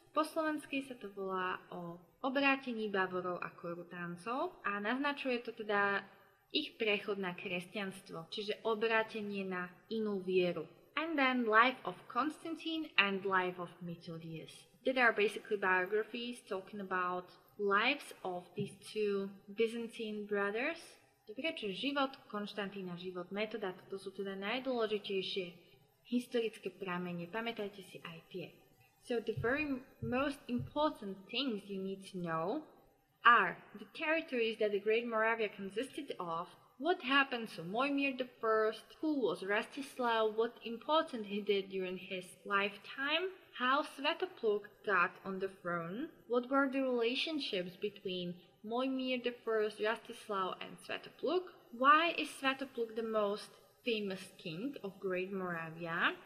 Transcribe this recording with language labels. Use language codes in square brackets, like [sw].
[sk] Po slovensky sa to volá o obrátení Bavorov a Korutáncov a naznačuje to teda ich prechod na kresťanstvo, čiže obrátenie na inú vieru. [en] And then, Life of Constantine and Life of Metodius. These are basically biographies talking about lives of these two Byzantine brothers. [sk] Dobre, čo život Konštantína, život Metoda, to sú teda najdôležitejšie historické pramene. Pamätajte si aj tie. [en] So the very most important things you need to know are the territories that the Great Moravia consisted of, what happened to Moimir I, who was Rastislav, what important he did during his lifetime, how Svetopluk got on the throne, what were the relationships between Moimir I, Rastislav and Svetopluk, why is Svetopluk the most famous king of Great Moravia.